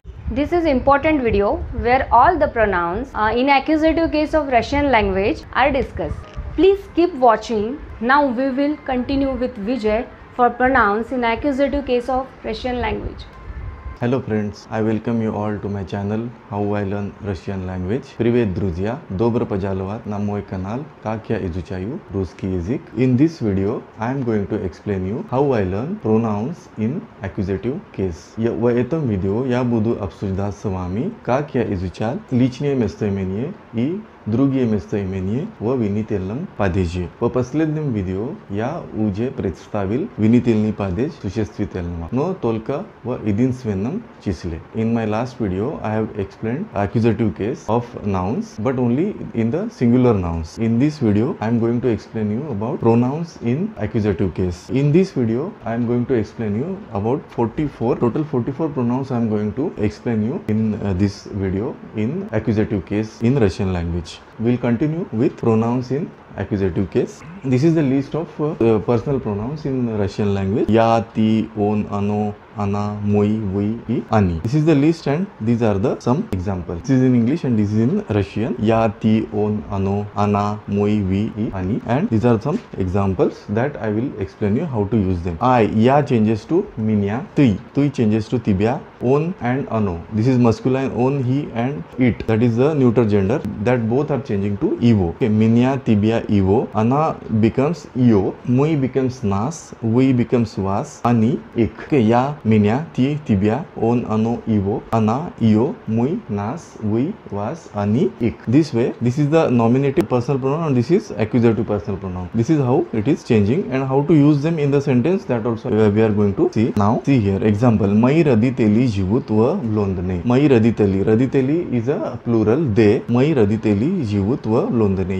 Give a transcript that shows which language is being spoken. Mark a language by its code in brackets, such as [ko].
[en] This is important video where all the pronouns in accusative case of Russian language are discussed. Please keep watching. Now we will continue with Vijay for pronouns in accusative case of Russian language. Hello friends, I welcome you all to my channel How I Learn Russian Language. [ru] Привет, друзья! Добро пожаловать на мой канал Как я изучаю русский язык. [en] In this video, I am going to explain you how I learn pronouns in accusative case. [ru] В этом видео я буду обсуждать с вами как я изучал личные местоимения и другие местоимения в винительном падеже. В последнем видео я уже представил винительный падеж существительного, но только в единственном числе. [en] In my last video, I have explained accusative case of nouns, but only in the singular nouns. In this video, I am going to explain you about pronouns in accusative case. In this video, I am going to explain you about 44, total 44 pronouns I am going to explain you in this video in accusative case in Russian language. We'll continue with pronouns in accusative case. This is the list of personal pronouns in Russian language. [ru] Я, ты, он, оно, она, мой, вы, и они. [en] This is the list and these are the some examples. This is in English and this is in Russian. [ru] Я, ты, он, оно, она, мой, вы, и они. [en] And these are some examples that I will explain you how to use them. I, я changes to меня, ты. Ты changes to тебя, он and оно. This is masculine, он, he and it. That is the neuter gender that both are changing to его. Okay, меня, тебя, его. Она becomes yo, мой becomes нас, вы becomes вас, они их. [ru] Okay, я, меня, ты, тебя, он, оно, его, она, ее, мой, нас, вы, вас, они их. [en] This way, this is the nominative personal pronoun and this is accusative personal pronoun. This is how it is changing and how to use them in the sentence, that also we are going to see now. See here, example, [ru] мои родители живут в Лондоне. Мои родители, родители [en] is a plural, they, [ru] мои родители живут в Лондоне.